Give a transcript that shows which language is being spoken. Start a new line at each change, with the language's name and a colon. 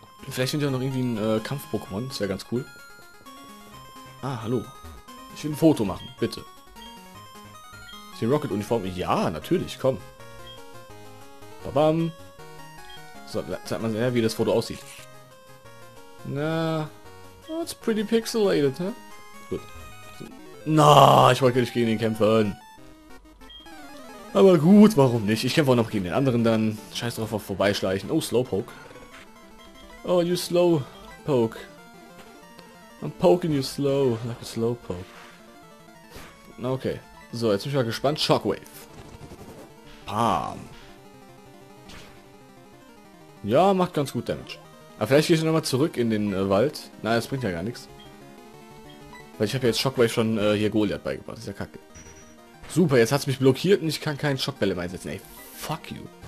German: Vielleicht finde ich auch noch irgendwie ein Kampf-Pokémon. Das wäre ganz cool. Ah, hallo. Ich will ein Foto machen, bitte. Ist hier Rocket-Uniform? Ja, natürlich, komm. Babam. So, zeigt man sehr, wie das Foto aussieht.
English: Na, it's pretty pixelated, ne?
German: Gut. So. Na, ich wollte nicht gegen ihn kämpfen. Aber gut, warum nicht? Ich kämpfe auch noch gegen den anderen dann. Scheiß drauf, auf Vorbeischleichen.
English: Oh, Slowpoke. Oh, you Slowpoke. I'm poking you slow, like a Slowpoke. Okay.
German: So, jetzt bin ich mal gespannt. Shockwave. Bam. Ja, macht ganz gut Damage. Aber vielleicht gehe ich nochmal zurück in den Wald. Nein, das bringt ja gar nichts. Weil ich habe ja jetzt Shockwave schon hier Goliath beigebracht. Das ist ja kacke. Super, jetzt hat es mich blockiert und ich kann keinen Schockwelle mehr einsetzen. Ey,
English: fuck you.